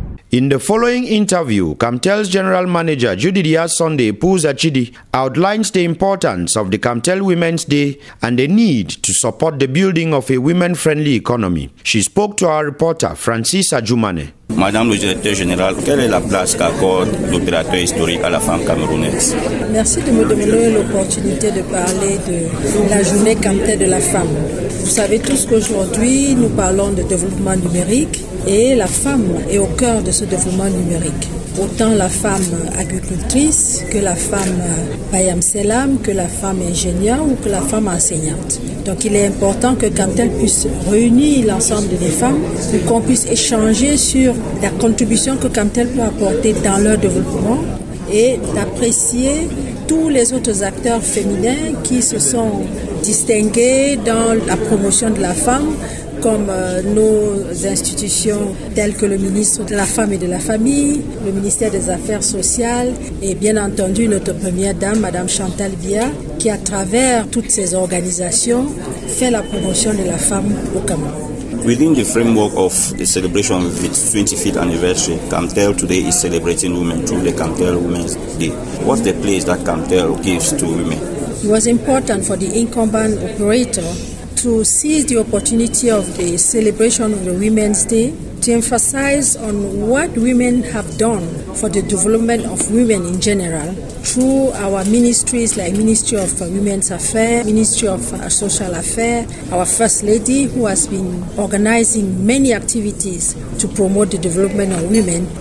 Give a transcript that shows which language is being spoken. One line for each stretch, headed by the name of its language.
English: In the following interview, Camtel's General Manager Judy Diaz-Sunday Puzachidi outlines the importance of the Camtel Women's Day and the need to support the building of a women-friendly economy. She spoke to our reporter Francis Ajumane.
French: Madame le directeur général, quelle est la place qu'accorde l'opérateur historique à la femme camerounaise? Merci de me donner l'opportunité de parler de la journée Camtel de la femme. Vous savez tous qu'aujourd'hui, nous parlons de développement numérique et la femme est au cœur de ce développement numérique. Autant la femme agricultrice que la femme bayam selam, que la femme ingénieure ou que la femme enseignante. Donc il est important que Camtel puisse réunir l'ensemble des femmes pour qu'on puisse échanger sur la contribution que Camtel peut apporter dans leur développement et d'apprécier tous les autres acteurs féminins qui se sont distingués dans la promotion de la femme, comme nos institutions telles que le ministre de la Femme et de la Famille, le ministère des Affaires Sociales et bien entendu notre première dame, Madame Chantal Biya, qui à travers toutes ces organisations fait la promotion de la femme au Cameroun.
English: Within the framework of the celebration of its 25th anniversary, Camtel today is celebrating women through the Camtel Women's Day. What's the place that Camtel gives to women? It was important for the incumbent operator to seize the opportunity of the celebration of the Women's Day to emphasize on what women have done for the development of women in general through our ministries like Ministry of Women's Affairs, Ministry of Social Affairs, our First Lady who has been organizing many activities to promote the development of women.